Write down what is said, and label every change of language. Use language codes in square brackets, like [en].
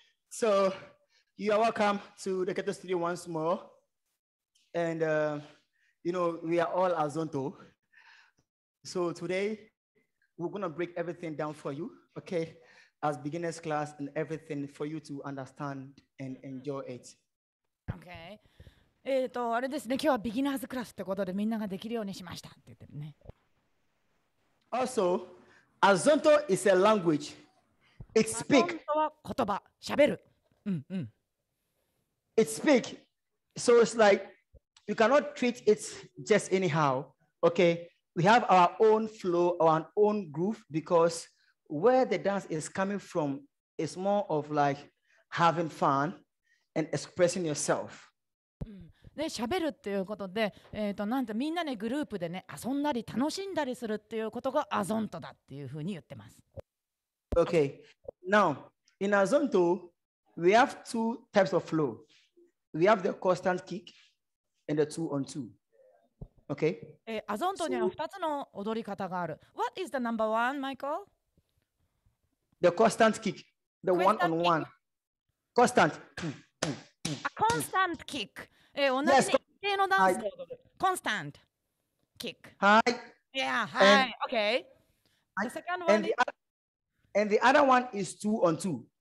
[en] So you are welcome to the Ghetto Studio once more. And you know we are all Azonto. So today we're gonna break everything down for you, okay? As beginners class and everything for you to understand and enjoy it. Okay. [ja] あれですね、今日はビギナーズクラスってことでみんなができるようにしましたって言ってるね。 [en] Also, Azonto is a language. It speaks. [ja] Azonto は言葉、しゃべる。うんうん。 [en] It speaks. So it's like you cannot treat it just anyhow. Okay, we have our own flow, our own groove, because where the dance is coming from is more of like having fun and expressing yourself. [ja] で喋るっていうことで、なんてみんなねグループでね遊んだり楽しんだりするっていうことがアゾントだっていうふうに言ってます。 [en] Okay, now in Azonto we have two types of flow. We have the constant kick and the two on two. Okay. [ja] アゾントには二つの踊り方がある。 [en] What is the number one, Michael? The constant kick, the one on one. Constant. A constant kick. [ja] 同じ一定のダンスで、コンスタント、キック。はい。 [en] Yeah, はい。Okay. The second one and the other one is two on two.